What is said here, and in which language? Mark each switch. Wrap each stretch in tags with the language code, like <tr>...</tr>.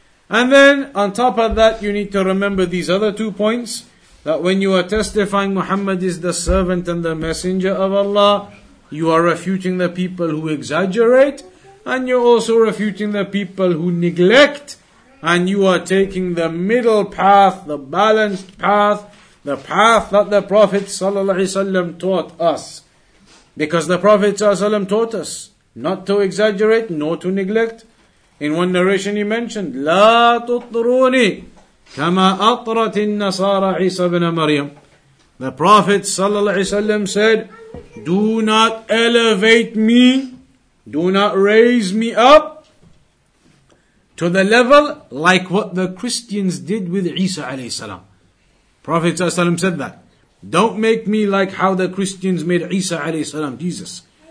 <en>And then, on top of that, you need to remember these other 2 points, that when you are testifying Muhammad is the servant and the messenger of Allah, you are refuting the people who exaggerate, and you're also refuting the people who neglect, and you are taking the middle path, the balanced path, the path that the Prophet ﷺ taught us. Because the Prophet ﷺ taught us not to exaggerate nor to neglect. In one narration he mentioned,</en> <ar>لا تطروني كما أطرت النصارى عيسى بن مريم.</ar> <en>The Prophet ﷺ said, do not elevate me, do not raise me up to the level like what the Christians did with Isa alayhi salam. Prophet ﷺ said that. Don't make me like how the Christians made Isa alayhi salam, Jesus.</en>